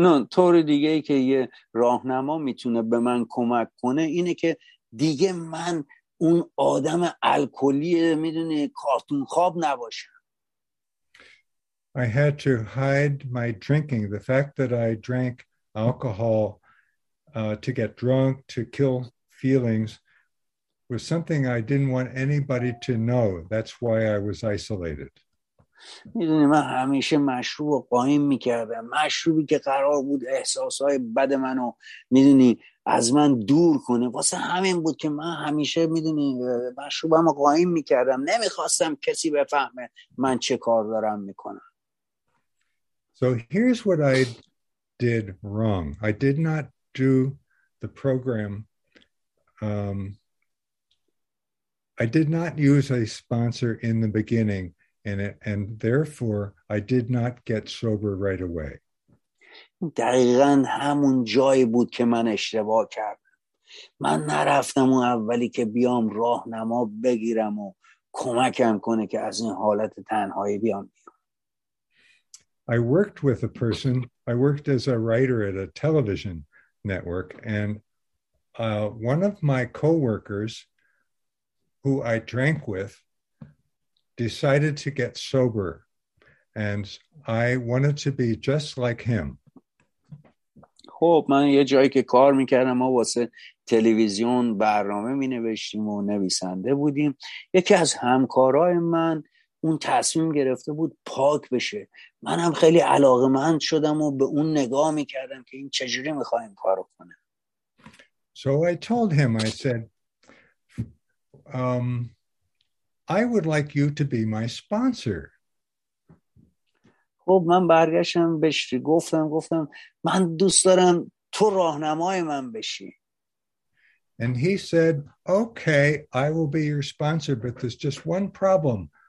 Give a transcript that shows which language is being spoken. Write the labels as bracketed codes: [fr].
[fa] طور دیگه ای که یه راهنما میتونه به من کمک کنه اینه که دیگه من اون آدم الکلی میدونه کارتون خواب نباشم. [en] I had to hide my drinking, the fact that I drank alcohol to get drunk, to kill feelings, was something I didn't want anybody to know. That's why I was isolated. [fa] میدونی من همیشه مشروب قایم میکردم، مشروبی که قرار بود احساسهای بد منو میدونی از من دور کنه. واسه همین بود که من همیشه میدونی مشروبم رو قایم میکردم، نمیخواستم کسی بفهمه من چه کار دارم میکنم. [en] So here's what I did wrong. I did not do the program. I did not use a sponsor in the beginning. And therefore, I did not get sober right away. [fa] دقیقاً همون جایی بود که من اشتباه کردم. من نرفتم اون اولی که بیام راهنما بگیرم و کمکم کنه که از این حالت تنهایی بیام. [en] I worked with a person. I worked as a writer at a television network, and one of my coworkers, who I drank with, decided to get sober, and I wanted to be just like him. [fa] خب من یه جایی که کار میکردم ما واسه تلویزیون برنامه مینوشتیم و نویسنده بودیم. یکی از همکارای من اون تصمیم گرفته بود پاک بشه. منم خیلی علاقمند شدم و به اون نگاه میکردم که این چجوری میخواد این کارو کنه. [en] So I told him, I said, I would like you to be my sponsor. [fa] خب من برگشتم بهش گفتم من دوست دارم تو راهنمای من بشی. [en] And he said, "Okay, I will be your sponsor, but there's just one problem.